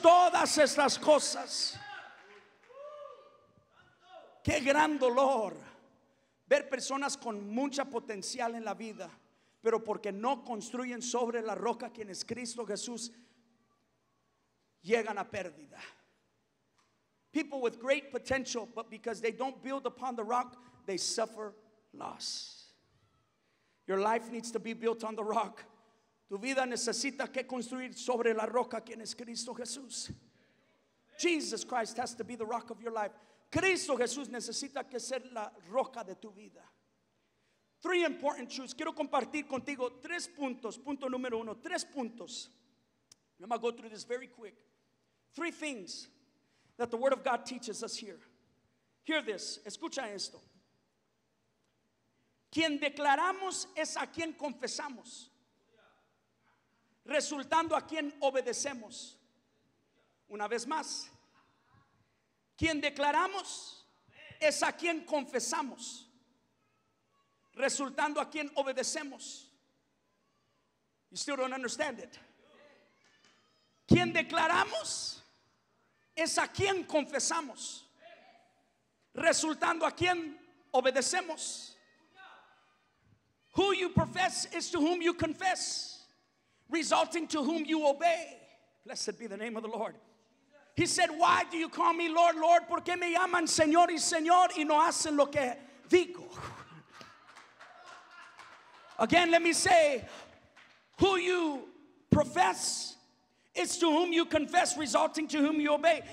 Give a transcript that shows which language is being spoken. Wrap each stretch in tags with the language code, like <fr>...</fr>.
<es>Todas estas cosas. Qué gran dolor ver personas con mucha potencial en la vida, pero porque no construyen sobre la roca, quien es Cristo Jesús, llegan a pérdida.</es> <en>People with great potential, but because they don't build upon the rock, they suffer loss. Your life needs to be built on the rock.</en> <es>Tu vida necesita que construir sobre la roca, quien es Cristo Jesús.</es> <en>Jesus Christ has to be the rock of your life.</en> <es>Cristo Jesús necesita que ser la roca de tu vida.</es> <en>3 important truths.</en> <es>Quiero compartir contigo 3 puntos. Punto número 1. 3 puntos.</es> <en>I'm going to go through this very quick. 3 things that the Word of God teaches us here. Hear this.</en> <es>Escucha esto. Quien declaramos es a quien confesamos, resultando a quien obedecemos. Una vez más. Quien declaramos es a quien confesamos, resultando a quien obedecemos.</es> <en>You still don't understand it.</en> <es>Quien declaramos es a quien confesamos, resultando a quien obedecemos.</es> <en>Who you profess is to whom you confess, resulting to whom you obey. Blessed be the name of the Lord. He said, why do you call me Lord, Lord?</en> <es>¿Por qué me llaman Señor y Señor y no hacen lo que digo?</es> <en>Again, let me say, Who you profess is to whom you confess, resulting to whom you obey.</en>